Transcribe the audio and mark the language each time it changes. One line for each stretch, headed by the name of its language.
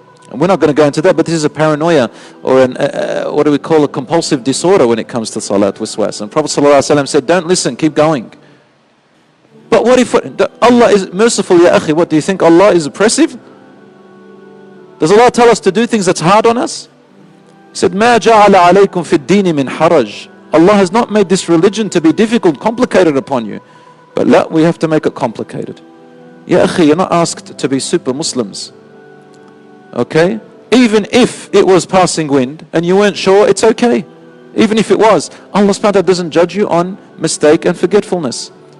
English: And we're not going to go into that, but this is a paranoia or a compulsive disorder when it comes to salat, waswas. And Prophet ﷺ said, don't listen, keep going. But what if Allah is merciful, ya akhi? What, do you think Allah is oppressive? Does Allah tell us to do things that's hard on us? He said,
Arabic: مَا جَعَلَ عَلَيْكُمْ فِي الدِّينِ مِنْ حَرَجٍ.
English: Allah has not made this religion to be difficult, complicated upon you. But we have to make it complicated. Ya akhi, you're not asked to be super Muslims. Okay? Even if it was passing wind and you weren't sure, it's okay. Even if it was, Allah subhanahu wa ta'ala doesn't judge you on mistake and forgetfulness.